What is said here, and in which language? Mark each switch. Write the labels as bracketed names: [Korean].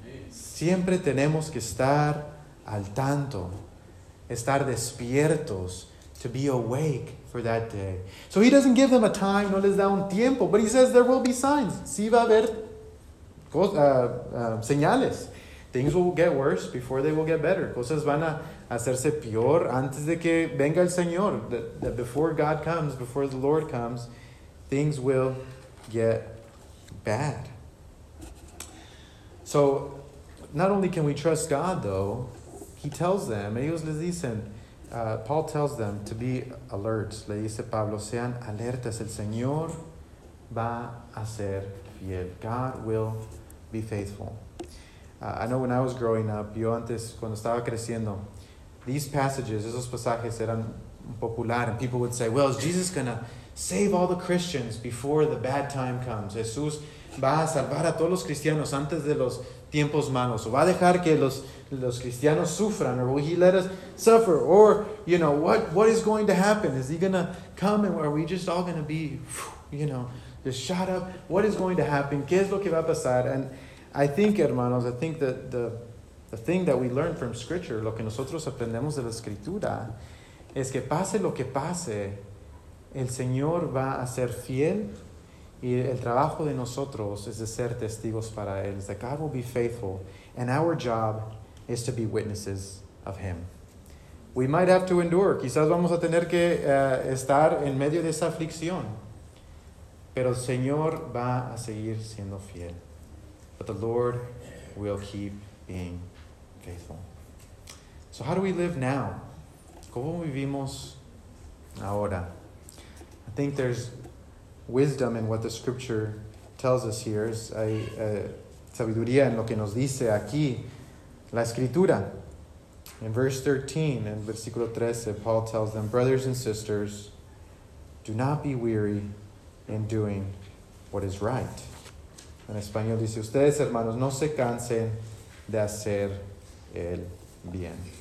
[Spanish] Siempre tenemos que estar al tanto, estar despiertos, [English] to be awake for that day. So he doesn't give them a time, [Spanish] no les da un tiempo, [English] but he says there will be signs. [Spanish] Sí va a haber señales. [English] Things will get worse before they will get better. [Spanish] Cosas van a hacerse peor antes de que venga el Señor. [English] That before God comes, before the Lord comes, things will get bad. So, not only can we trust God, though, he tells them, [Spanish] ellos les dicen, [English] Paul tells them to be alert. [Spanish] Le dice Pablo, sean alertas, el Señor va a ser fiel. [English] God will be faithful. I know when I was growing up, [Spanish] yo antes, cuando estaba creciendo, [English] these passages, [Spanish] esos pasajes eran popular, [English] and people would say, well, is Jesus going to save all the Christians before the bad time comes? [Spanish] Jesús va a salvar a todos los cristianos antes de los tiempos malos, o va a dejar que los cristianos sufran, [English] or will he let us suffer, or, you know, what is going to happen? Is he going to come, and are we just all going to be, you know, just shot up? What is going to happen? [Spanish] ¿Qué es lo que va a pasar? [English] And I think, hermanos, I think that the thing that we learn from Scripture, [Spanish] lo que nosotros aprendemos de la Escritura, es que pase lo que pase, el Señor va a ser fiel, y el trabajo de nosotros es de ser testigos para Él. [English] It's that God will be faithful, and our job is to be witnesses of Him. We might have to endure. [Spanish] Quizás vamos a tener que estar en medio de esa aflicción, pero el Señor va a seguir siendo fiel. [English] But the Lord will keep being faithful. So how do we live now? [Spanish] ¿Cómo vivimos ahora? [English] I think there's wisdom in what the Scripture tells us here. [Spanish] Hay sabiduría en lo que nos dice aquí la Escritura. [English] In verse 13, in versículo 13, Paul tells them, brothers and sisters, do not be weary in doing what is right. [Spanish] En español dice, ustedes, hermanos, no se cansen de hacer el bien.